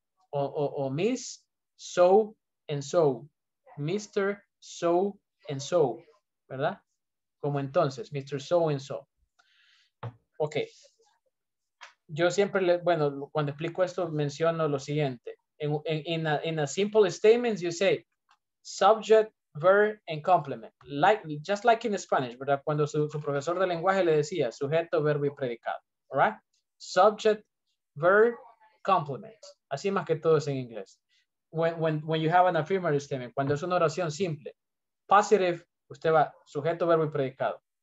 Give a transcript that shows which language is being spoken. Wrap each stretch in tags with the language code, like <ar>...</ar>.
<en>o Miss so and so. Mr. so and so.</en> <es>¿Verdad? Como entonces,</es> <en>Mr. so and so. Ok.</en> <es>Yo siempre, cuando explico esto, menciono lo siguiente.</es> <en>In a simple statement, you say subject, verb, and complement. Just like in Spanish, ¿verdad?</en> <es>Cuando su profesor de lenguaje le decía sujeto, verbo y predicado.</es> <en>Right? Subject, verb, complement.</en> <es>Así más que todo es en inglés.</es> <en>When you have an affirmative statement,</en> <es>cuando es una oración simple, positive, usted va sujeto, verbo y predicado.</es>